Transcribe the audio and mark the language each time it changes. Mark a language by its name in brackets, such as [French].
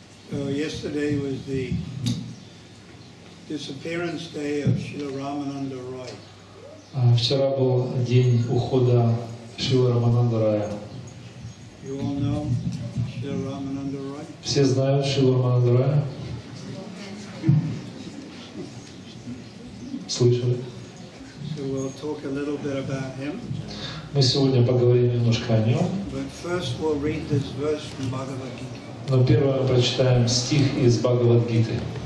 [English] So yesterday was the disappearance day of Srila Ramananda Roy. [Russian] Вчера был день ухода Шрила Рамананда Рая. [English] You all know Shri Ramananda Roy? [Russian] Все знают Шрила Рамананда Рая? Слышали? [English] So we'll talk a little bit about him. [Russian] Мы сегодня поговорим немножко о нем. [English] But first we'll read this verse from Bhagavad Gita. [Russian] Но первое прочитаем стих из Бхагавад Гиты.